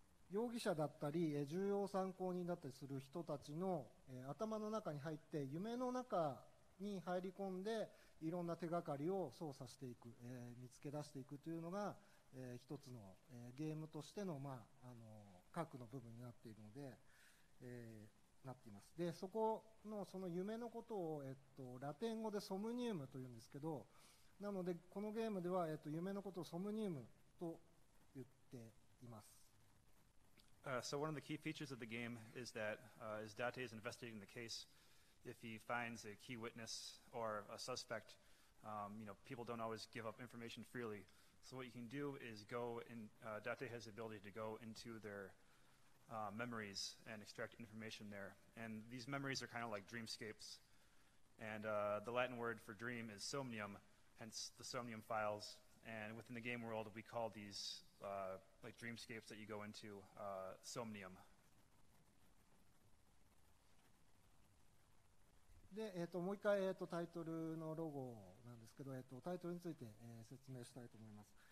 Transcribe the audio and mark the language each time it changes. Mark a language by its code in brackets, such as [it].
[ja] 容疑者だったり、重要参考人だったりする人たちの、頭の中に入って夢の中に入り込んでいろんな手がかりを操作していく、見つけ出していくというのが、一つの、ゲームとしての、核の部分になっているので、なっています。でそこのその夢のことを、ラテン語でソムニウムというんですけど、なのでこのゲームでは、夢のことをソムニウムと言っています。 [en] So one of the key features of the game is that as Date is investigating the case,if he finds a key witness or a suspect, people don't always give up information freely. So what you can do is go in, Date has the ability to go into their memories and extract information there. And these memories are kind of like dreamscapes. And the Latin word for dream is somnium, hence the somnium files. And within the game world, we call these like dreamscapes that you go into somnium. [ja] でもう一回、タイトルのロゴなんですけど、タイトルについて、説明したいと思います。